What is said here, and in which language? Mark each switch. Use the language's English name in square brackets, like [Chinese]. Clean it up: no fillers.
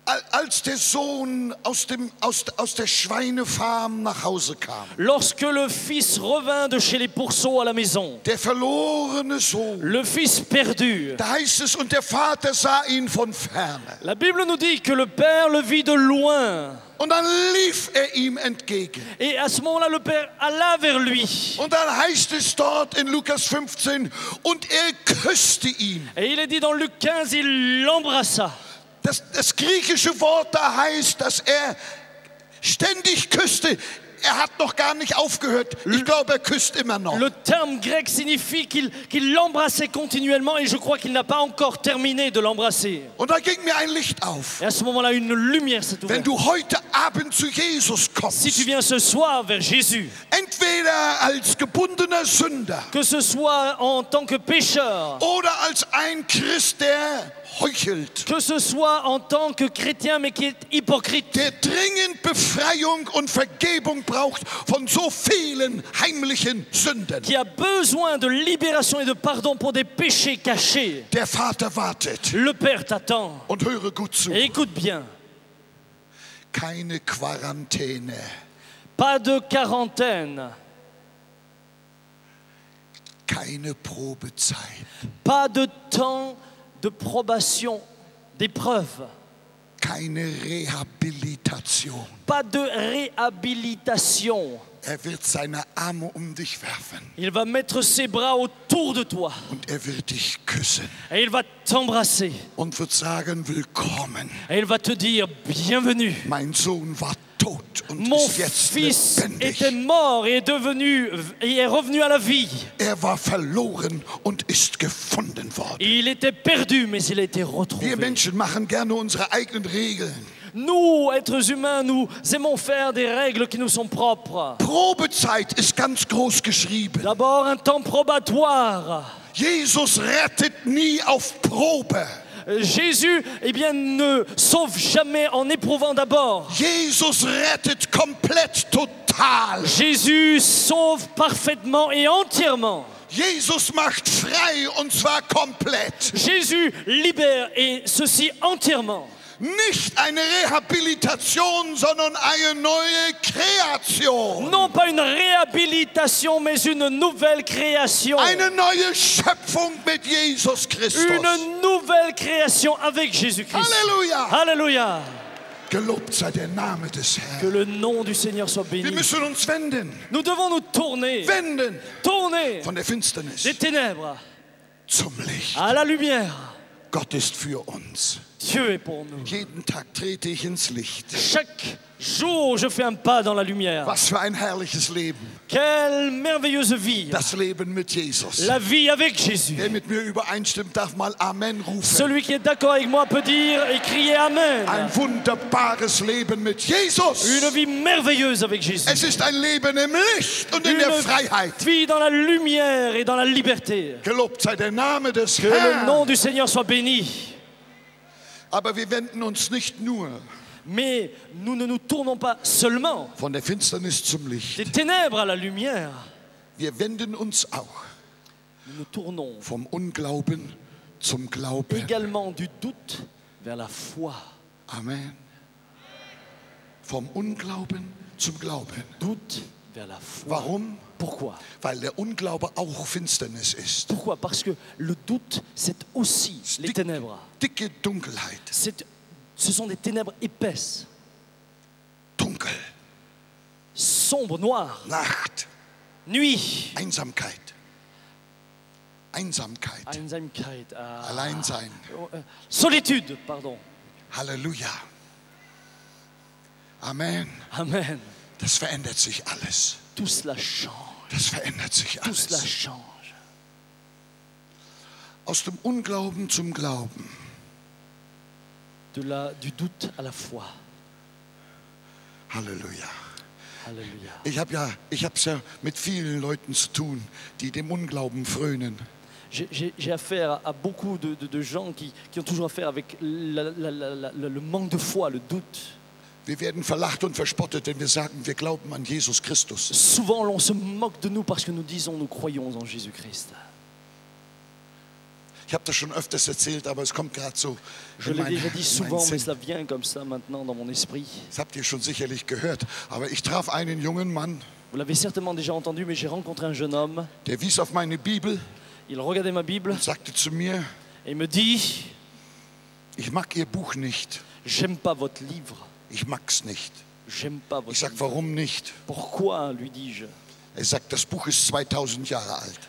[German] Als der Sohn aus der Schweinefarm nach Hause kam. [French] Lorsque le fils revint de chez les pourceaux à la maison. [German] Der verlorene Sohn. [French] Le fils perdu. [German] Da heißt es, und der Vater sah ihn von ferne. [French] La Bible nous dit que le père le vit de loin. [German] Und dann lief er ihm entgegen. [French] Et à ce moment-là, le père alla vers lui. [German] Und dann heißt es dort in Lukas 15, und er küsste ihn. [French] Et il est dit dans Luc 15, il l'embrassa. [German] Das griechische Wort da heißt, dass er ständig küsste. er hat noch gar nicht aufgehört. Ich glaube, er küsst immer noch. [French] Le terme grec signifie qu'il l'embrassait continuellement et je crois qu'il n'a pas encore terminé de l'embrasser. [German] Und da ging mir ein Licht auf. [French] Et à ce moment-là, une lumière s'est ouverte. [German] Wenn du heute Abend zu Jesus kommst. [French] Si tu viens ce soir vers Jésus. [German] Entweder als gebundener Sünder. [French] Que ce soit en tant que pécheur. [German] Oder als ein Christ, der heuchelt. [French] Que ce soit en tant que chrétien mais qui est hypocrite. [German] Der dringend Befreiung und Vergebung braucht von so vielen heimlichen Sünden. [French] Qui a besoin de libération et de pardon pour des péchés cachés. [German] Der Vater wartet. [French] Le Père t'attend. [German] Und höre gut zu. [French] Et écoute bien. [German] Keine Quarantäne. [French] Pas de quarantaine. [German] Keine Probezeit. [French] Pas de temps de probation, d'épreuve. [German] Keine Rehabilitation. [French] Pas de réhabilitation. [German] Er wird seine Arme um dich werfen. [French] Il va mettre ses bras autour de toi. [German] Und er wird dich küssen. [French] Et il va t'embrasser. [German] Und wird sagen, willkommen. [French] Et il va te dire, bienvenue. [German] Mein Sohn war tot und [French] Mon [German] ist jetzt [French] fils [German] lebendig. [French] Était mort et est devenu et est revenu à la vie. [German] Er war verloren und ist gefunden worden. [French] Il était perdu, mais il a été retrouvé. [German] Wir Menschen machen gerne unsere eigenen Regeln. [French] Nous, êtres humains, nous aimons faire des règles qui nous sont propres. [German] Probezeit ist ganz groß geschrieben. [French] D'abord un temps probatoire. [German] Jesus rettet nie auf Probe. [French] Jésus, eh bien, ne sauve jamais en éprouvant d'abord. [German] Jesus rettet komplett total. [French] Jésus sauve parfaitement et entièrement. [German] Jesus macht frei und zwar komplett. [French] Jésus libère et ceci entièrement. [German] Nicht eine Rehabilitation, sondern eine neue Kreation. [French] Non pas une réhabilitation, mais une nouvelle création. [German] Eine neue Schöpfung mit Jesus Christus. [French] Une nouvelle création avec Jésus Christ. Alléluia. Alléluia. [German] Gelobt sei der Name des Herrn. [French] Que le nom du Seigneur soit béni. [German] Wir müssen uns wenden. [French] Nous devons nous tourner. [German] Wenden. [French] Tourner. [German] Von der Finsternis. [French] Des ténèbres. [German] Zum Licht. [French] À la lumière. [German] Gott ist für uns. [French] Dieu est pour nous. [German] Jeden Tag trete ich ins Licht. [French] Chaque jour, je fais un pas dans la lumière. [German] Was für ein herrliches Leben. [French] Quelle merveilleuse vie. [German] Das Leben mit Jesus. [French] La vie avec Jésus. [German] Wer mit mir übereinstimmt, darf mal Amen rufen. [French] Celui qui est d'accord avec moi peut dire et crier Amen. [German] Ein wunderbares Leben mit Jesus. [French] Une vie merveilleuse avec Jésus. [German] Es ist ein Leben im Licht und in der Freiheit. [French] Vie dans la lumière et dans la liberté. [German] Gelobt sei der Name des [French] que [German] Herrn. [French] Que le nom du Seigneur soit béni. [German] Aber wir wenden uns nicht nur [French] mais nous ne nous tournons pas seulement [German] von der Finsternis zum Licht. [French] Des ténèbres à la lumière. [German] Wir wenden uns auch [French] nous nous tournons [German] vom Unglauben zum Glauben. [French] Également du doute vers la foi. [German] Amen. Vom Unglauben zum Glauben. [French] Doute vers la foi. [German] Warum? [French] Pourquoi? [German] Weil der Unglaube auch Finsternis ist. [French] Pourquoi? Parce que le doute, c'est aussi les ténèbres. [German] Dicke Dunkelheit. [French] Ce sont des ténèbres épaisses. [German] Dunkel. [French] Sombre, noir. [German] Nacht. [French] Nuit. [German] Einsamkeit. Einsamkeit. Einsamkeit. Alleinsein. [French] Solitude, pardon. [German] Halleluja. Amen. Amen. Das verändert sich alles. [French] Tout cela change. [German] Das verändert sich [French] Tout [German] alles. [French] Cela change. [German] Aus dem Unglauben zum Glauben. [French] Du doute à la foi. [German] Halleluja. Halleluja. Ich hab's ja mit vielen Leuten zu tun, die dem Unglauben frönen. [French] J'ai affaire à beaucoup de gens qui ont toujours affaire avec le manque de foi, le doute. [German] Wir werden verlacht und verspottet, wenn wir sagen, wir glauben an Jesus Christus. [French] Souvent l'on se moque de nous parce que nous disons nous croyons en Jésus-Christ. [German] Ich habe das schon öfters erzählt, aber es kommt gerade so. [French] Je l'ai déjà dit souvent, mais ça vient comme ça maintenant dans mon esprit. [German] Das habt ihr schon sicherlich gehört, aber ich traf einen jungen Mann. [French] Vous l'avez certainement déjà entendu, mais j'ai rencontré un jeune homme. [German] Der wies auf meine Bibel. [French] Il regardait ma Bible. [German] Sagte zu mir. [French] Et me dit. [German] Ich mag ihr Buch nicht. [French] J'aime pas votre livre. [German] Ich mag's nicht. [French] J'aime pas votre [German] ich sag, warum nicht? [French] Pourquoi, lui dis-je? [German] Er sagt, das Buch ist 2000 Jahre alt.